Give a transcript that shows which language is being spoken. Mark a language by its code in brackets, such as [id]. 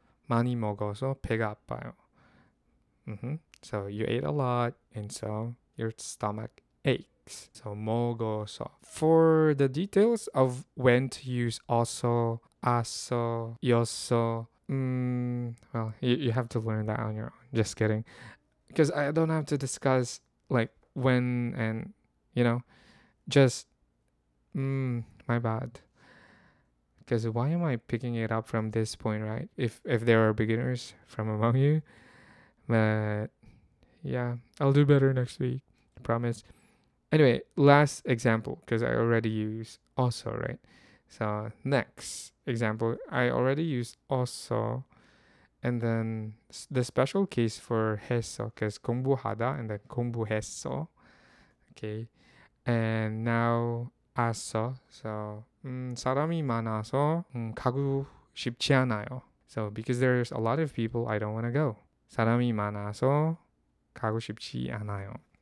[ko] 많이 먹어서 배가 아파요. Mm-hmm. [en] So you ate a lot, and so your stomach aches. So 먹어서. For the details of when to use 어서, 아서, 여서, well, you have to learn that on your own. Just kidding, because I don't have to discuss like when and, you know, just my bad. Because why am I picking it up from this point, right? If there are beginners from among you. But yeah, I'll do better next week, I promise. Anyway, last example, because I already use also, right? So next example, I already use also. And then the special case for 해서, because 공부하다 and then 공부했어. Okay. And now [ko] 아서, [en] so [ko] 사람이 많아서 가고 싶지 않아요. [en] So because there's a lot of people, I don't want to go. [ko] 사람이 많아서 가고 싶지 않아요.